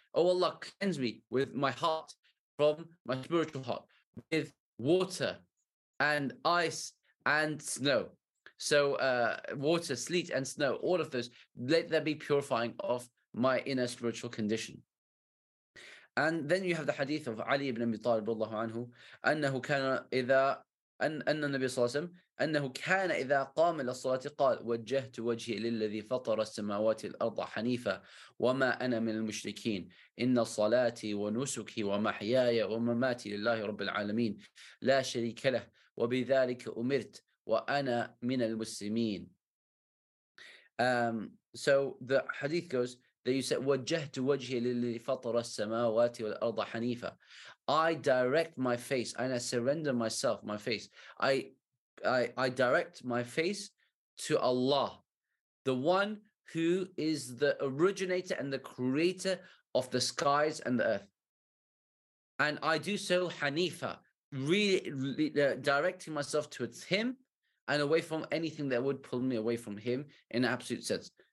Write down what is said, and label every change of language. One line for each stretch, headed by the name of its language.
English: Oh Allah, cleanse me with my heart from my spiritual heart, with water and ice and snow. So water, sleet and snow, all of those, let there be purifying of my inner spiritual condition. And then you have the hadith of Ali ibn Abi Talib radiallahu anhu,
Arabic: أنه كان إذا أن النبي صلى الله عليه وسلم أنه كان إذا قام إلى الصلاة قال وجهت وجهي للذي فطر السماوات الأرض حنيفة وما أنا من المشركين إن صلاتي ونسكي ومحياي ومماتي لله رب العالمين لا شريك له وبذلك أمرت وأنا من المسلمين.
English: So the hadith goes that you said
Arabic: وجهت وجهي للذي فطر السماوات والأرض حنيفة.
English: I direct my face and I surrender myself, my face. I direct my face to Allah, the one who is the originator and the creator of the skies and the earth. And I do so hanifa, really directing myself towards him and away from anything that would pull me away from him in absolute sense.